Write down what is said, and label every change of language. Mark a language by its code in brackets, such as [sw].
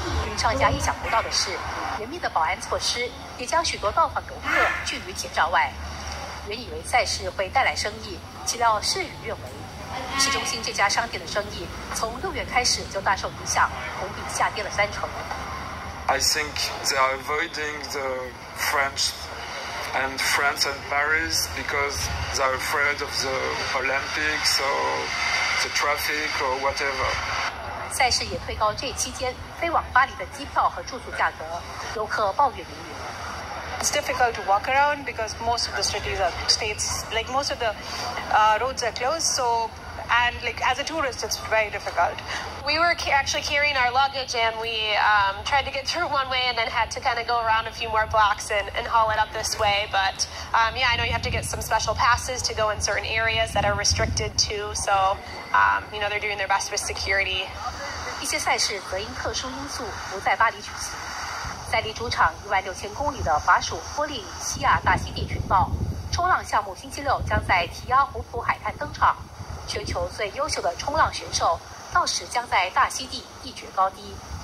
[zh] 与商家意想不到的是，严密的保安措施也将许多到访游客拒于铁栅外。原以为赛事会带来生意，岂料事与愿违。市中心这家商店的生意从6月开始就大受影响，同比下跌了3成。 [en] I think they are avoiding the French and France and Paris because they are afraid of the Olympics or the traffic or whatever. [zh] 赛事也推高这期间飞往巴黎的机票和住宿价格，游客抱怨连连。 [en] It's difficult to walk around because most of the cities are states, like most of the roads are closed. So, and like as a tourist, it's very difficult. We were actually carrying our luggage and we tried to get through one way and then had to kind of go around a few more blocks and haul it up this way. But yeah, I know you have to get some special passes to go in certain areas that are restricted too. So, you know, they're doing their best with security. [zh] 一些赛事则因特殊因素不在巴黎举行。在离主场16000公里的法属波利尼西亚大溪地群岛，冲浪项目星期6将在提阿胡普海滩登场。全球最优秀的冲浪选手到时将在大溪地一决高低。